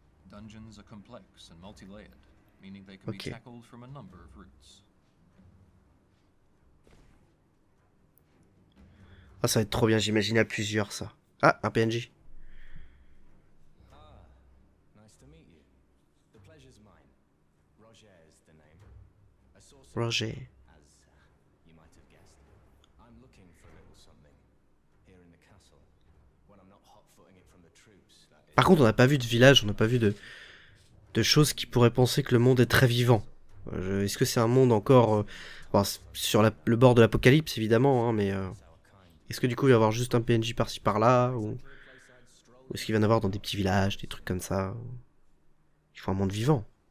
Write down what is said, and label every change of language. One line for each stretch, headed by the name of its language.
English: Dungeons are complex and multi-layered, meaning they can be tackled from a number of routes.
French: Ah, ça va être trop bien, j'imagine à plusieurs ça. Ah, un PNJ.
English: Ah, nice to meet you. The pleasure's mine. Roger is the name. A sorcerer. Roger. As you might have guessed. I'm looking for a little something here in the castle. When I'm not hot-footing it from the troops.
French: Par contre, on n'a pas vu de village, on n'a pas vu de choses qui pourraient penser que le monde est très vivant. Est-ce que c'est un monde encore enfin, sur le bord de l'apocalypse, évidemment, hein, mais est-ce que du coup il va y avoir juste un PNJ par-ci par-là ou est-ce qu'il va y en avoir dans des petits villages, des trucs comme ça Il faut un monde vivant.